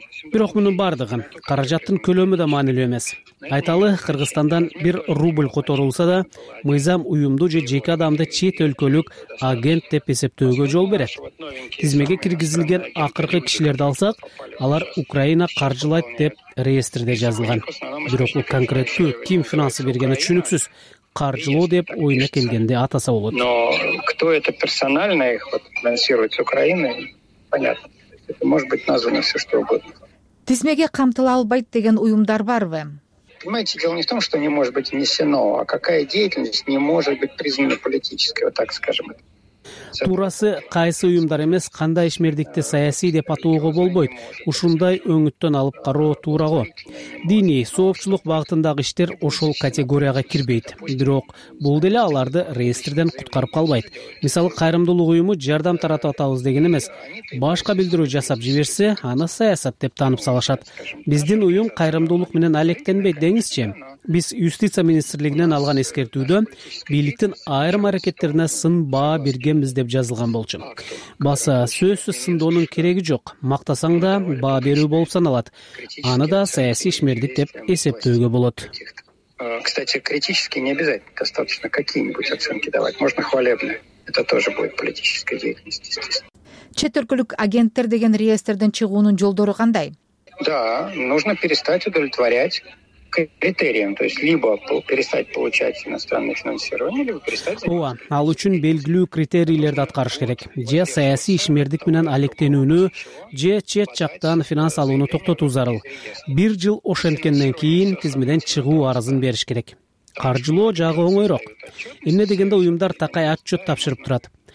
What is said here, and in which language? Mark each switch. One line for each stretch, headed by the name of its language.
Kyrgyz: Бирок мунун бардыгы, каражаттын көлөмү да маанилүү эмес. Айталы, Кыргызстандан 1 рубль которулса да, мыйзам уюмду же жеке адамды чет өлкөлүк агент деп эсептөөгө жол берет. Тизмеге киргизилген акыркы кишилерди алсак, алар Украина каржылайт деп реестрде жазылган. Бирок бул конкреттүү ким финансы бергени түшүнүксүз. Каржылоо деп ойуна келгенде атаса болот.
Russian: Но кто это персонально их финансирует с Украины? Понятно. Это может быть названо всё что угодно.
Kyrgyz: Тизмеге камтыла албайт деген уюмдар барбы?
Russian: Понимаете, дело не в том, что не может быть внесено, а какая деятельность не может быть признана политической, вот так скажем.
Kyrgyz: Туурасы кайсы уюмдар эмес, кандай ишмердикти саясий деп атоого болбойт. Ушундай өңүттөн алып кароо туурагу. Диний, соопчулук багытындагы иштер ошол категорияга кирбейт. Бирок бул деле аларды реестрден куткарып калбайт. Мисалы, кайрымдуулук уюму жардам таратып атабыз деген эмес. Башка билдирүү жасап жиберсе, аны саясат деп таанып салышат. Биздин уюм кайрымдуулук менен алектенбейт деңизчи. Биз юстиция министрлигинен алган эскертүүдө бийликтин айрым аракеттерине сын баа бергенбиз деп жазылган болчу. Баса сөзсүз сындоонун кереги жок. Мактасаң да баа берүү болуп саналат. Аны да саясий ишмердик деп эсептөөгө болот.
Russian: Кстати, критически не обязательно, достаточно какие-нибудь оценки давать. Можно хвалебные. Это тоже будет политическая деятельность, естественно.
Kyrgyz: Чет өлкөлүк агенттер деген реестрден чыгуунун жолдору кандай?
Russian: Да, нужно перестать удовлетворять критерием, то есть либо перестать получать иностранное финансирование, либо перестать.
Kyrgyz: Ооба, ал үчүн белгилүү критерийлерди аткарыш керек. Же саясий ишмердик менен алектенүүнү, же чет жактан финанс алууну токтотуу зарыл. Бир жыл ошенткенден кийин тизмеден чыгуу арызын бериш керек. Каржылоо жагы оңойрок. Эмне дегенде уюмдар такай отчет тапшырып турат.